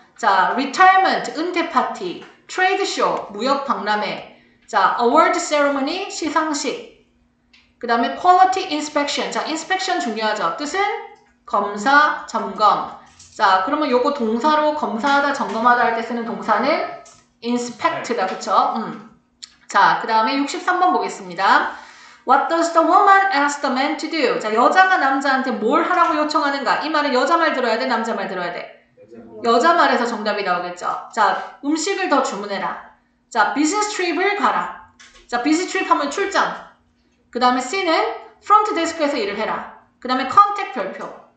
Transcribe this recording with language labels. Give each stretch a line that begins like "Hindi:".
Korean: 자, retirement, 은퇴 파티, trade show, 무역 박람회, 자, award ceremony, 시상식, 그 다음에 quality inspection. 자, inspection 중요하죠? 뜻은 검사, 점검. 자, 그러면 요거 동사로 검사하다, 점검하다 할 때 쓰는 동사는 inspect다, 그쵸? 자, 그 다음에 63번 보겠습니다.
English: What does the woman ask the man to do?
Korean: 자, 여자가 남자한테 뭘 하라고 요청하는가? 이 말은 여자 말 들어야 돼? 남자 말 들어야 돼? 여자 말에서 정답이 나오겠죠. 자, 음식을 더 주문해라. 자, business trip을 가라. 자, business trip 하면 출장. 그 다음에 C는 front desk에서 일을 해라. 그 다음에 contact 별표.